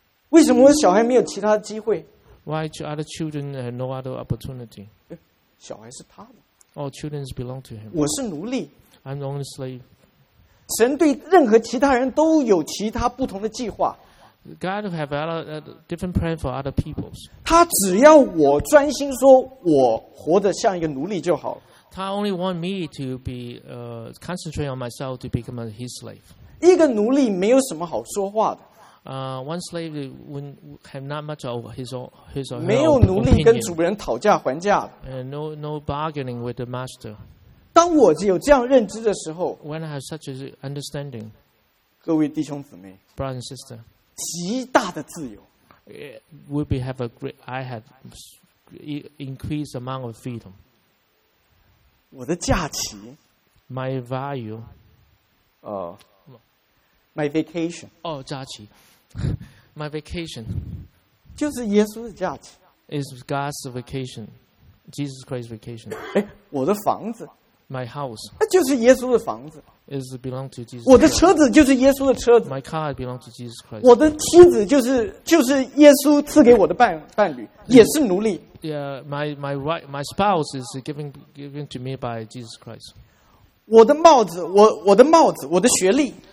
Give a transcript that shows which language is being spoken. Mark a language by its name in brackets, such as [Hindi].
[Chinese] 为什么我小孩没有其他机会 [English] ？Why do other children have no other opportunity? [Chinese] 小孩是他的。 [English] All children belong to him. [Chinese] 我是奴隶。 [English] I'm the only slave. [Chinese] 神对任何其他人都有其他不同的计划。 [English] God have a different plan for other people. [Chinese] 他只要我专心说我活得像一个奴隶就好了。他 [English] only want me to be concentrate on myself to become his slave. [Chinese] 一个奴隶没有什么好说话的。 [English] One slave wouldn't have not much of his own. [Chinese] 没有奴隶跟主人讨价还价。 [English] No bargaining with the master. [Chinese] 当我有这样认知的时候 [English] ，When I have such an understanding， [Chinese] 各位弟兄姊妹 [English] ，Brother and sister， [Chinese] 极大的自由 [English] ，Would be have a great I have increased amount of freedom。 [Chinese] 我的假期 [English] ，My value， My vacation， [Chinese] 假期 [English] ，My vacation， [Chinese] 就是耶稣的假期 [English] ，Is God's vacation， Jesus Christ's vacation。 [Chinese] 我的房子。 [English] My house. [Chinese] 那就是耶稣的房子。 [English] Is belong to Jesus. [Chinese] 我的车子就是耶稣的车子。 [English] My car belong to Jesus Christ. [Chinese] 我的妻子就是耶稣赐给我的伴侣，也是奴隶。 [English] Yeah, my spouse is given to me by Jesus Christ. [Chinese] 我的帽子，我的帽子，我的学历。